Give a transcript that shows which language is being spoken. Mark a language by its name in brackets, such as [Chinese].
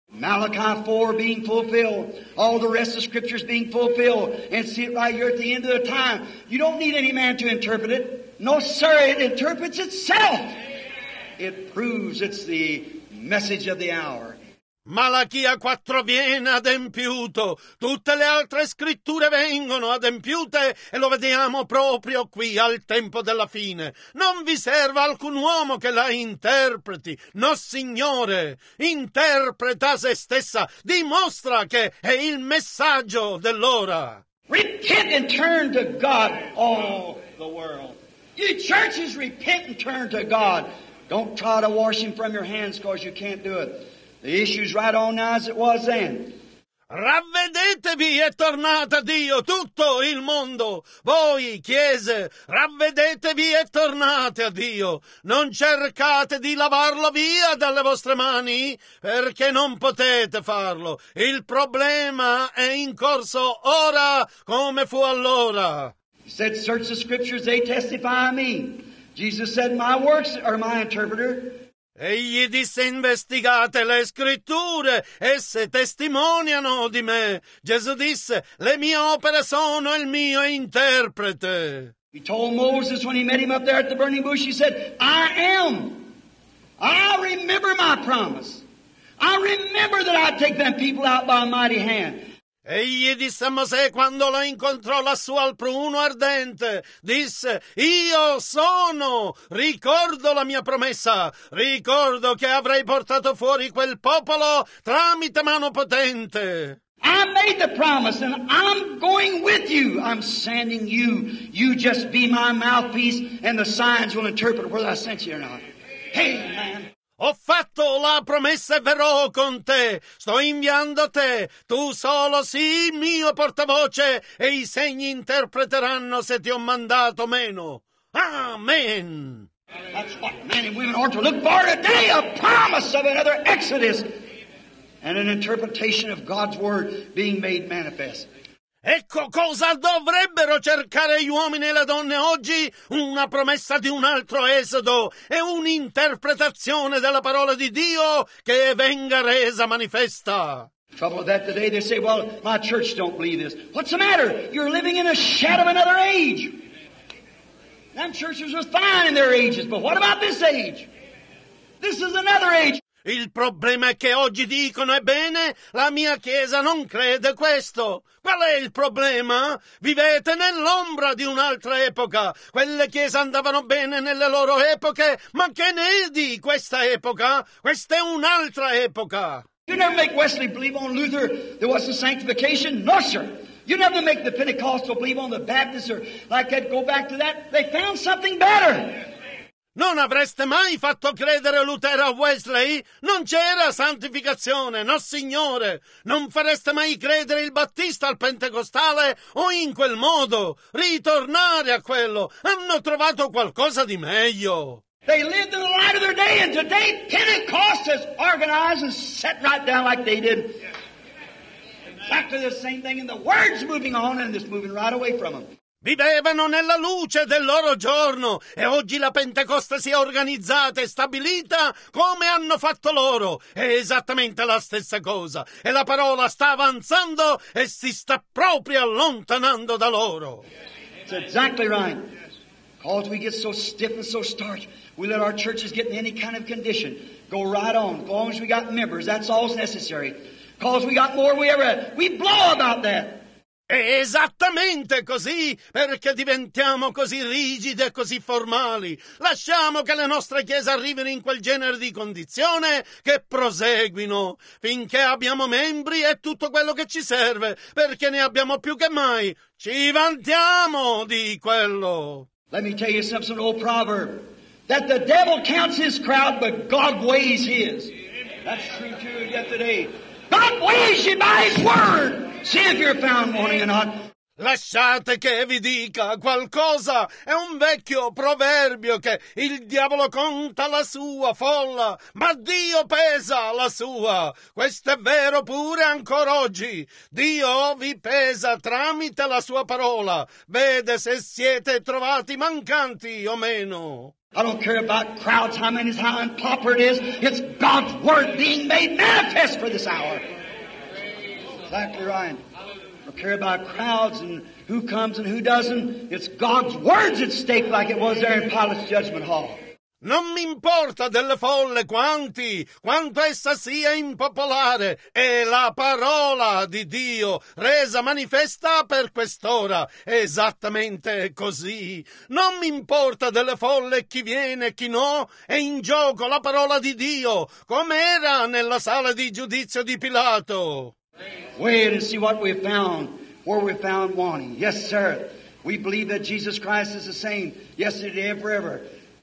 [English] Malachi 4 being fulfilled, all the rest of the scriptures being fulfilled, and see it right here at the end of the time. You don't need any man to interpret it. No, sir, it interprets itself. It proves it's the message of the hour. [Italian] Malachia 4 viene adempiuto, tutte le altre scritture vengono adempiute e lo vediamo proprio qui al tempo della fine. Non vi serva alcun uomo che la interpreti, no signore, interpreta se stessa, dimostra che è il messaggio dell'ora. [English] Repent and turn to God, all the world. You churches, repent and turn to God. Don't try to wash him from your hands because you can't do it. The issue's right on now as it was then. [Italian] Ravvedetevi e tornate a Dio, tutto il mondo. Voi, chiese, ravvedetevi e tornate a Dio. Non cercate di lavarlo via dalle vostre mani, perché non potete farlo. Il problema è in corso ora come fu allora. [English] He said, search the scriptures, they testify me. Jesus said, my works are my interpreter. [Italian] Egli disse, investigate le scritture, esse testimoniano di me. Gesù disse, le mie opere sono il mio interprete. [English] He told Moses when he met him up there at the burning bush, he said, I am. I remember my promise. I remember that I take them people out by a mighty hand. [Italian] Egli disse a Mosè quando lo incontrò lassù al pruno ardente, disse, io sono, ricordo la mia promessa, ricordo che avrei portato fuori quel popolo tramite mano potente. [English] I made the promise and I'm going with you, I'm sending you, you just be my mouthpiece and the signs will interpret whether I sent you or not. Hey, man. [Italian] Ho fatto la promessa e verrò con te. Sto inviando te. Tu solo sii mio portavoce e i segni interpreteranno se ti ho mandato meno. [English] Amen. That's what men and women ought to look for today, a promise of another exodus and an interpretation of God's word being made manifest. [Italian] Ecco cosa dovrebbero cercare gli uomini e le donne oggi, una promessa di un altro esodo e un'interpretazione della parola di Dio che venga resa manifesta. [English] Trouble with that today, they say, well, my church don't believe this. What's the matter? You're living in a shadow of another age. Them churches were fine in their ages, but what about this age? This is another age. [Italian] Il problema è che oggi dicono, ebbene, la mia chiesa non crede questo. Qual è il problema? Vivete nell'ombra di un'altra epoca. Quelle chiese andavano bene nelle loro epoche, ma che ne è di questa epoca? Questa è un'altra epoca. [English] You never make Wesley believe on Luther there was a sanctification? No, sir. You never make the Pentecostal believe on the Baptist or like that, go back to that. They found something better. [Italian] Non avreste mai fatto credere Lutero a Wesley? Non c'era santificazione, no signore. Non fareste mai credere il Battista al Pentecostale o in quel modo? Ritornare a quello. Hanno trovato qualcosa di meglio. [English] They lived in the light of their day and today Pentecost is organized and set right down like they did. Exactly the same thing and the word's moving on and it's moving right away from them. [Italian] Vivevano nella luce del loro giorno e oggi la Pentecoste si è organizzata e stabilita come hanno fatto loro. È esattamente la stessa cosa e la parola sta avanzando e si sta proprio allontanando da loro. [English] It's exactly right. Because we get so stiff and so starch, we let our churches get in any kind of condition. Go right on. As long as we got members, that's all necessary. Because we got more we ever had. We blow about that. [Italian] È esattamente così perché diventiamo così rigidi e così formali. Lasciamo che le nostre chiese arrivino in quel genere di condizione che proseguino finché abbiamo membri e tutto quello che ci serve, perché ne abbiamo più che mai. Ci vantiamo di quello. [English] Let me tell you something, old proverb, that the devil counts his crowd, but God weighs his. That's true too yet today. God weighs you by his word. See if you're found wanting or not. [Italian] Lasciate che vi dica qualcosa. È un vecchio proverbio che il diavolo conta la sua folla, ma Dio pesa la sua. Questo è vero pure ancora oggi. Dio vi pesa tramite la sua parola. Vede se siete trovati mancanti o meno. [English] I don't care about crowds, how many, how improper it is. It's God's word being made manifest for this hour. Exactly right. I don't care about crowds and who comes and who doesn't. It's God's words at stake like it was there in Pilate's judgment hall. [Italian] Non mi importa delle folle quanti, quanto essa sia impopolare, è la parola di Dio resa manifesta per quest'ora, esattamente così. Non mi importa delle folle chi viene e chi no, è in gioco la parola di Dio, come era nella sala di giudizio di Pilato. [English] Wait and see what we found, where we found wanting. Yes, sir. We believe that Jesus Christ is the same yesterday and forever.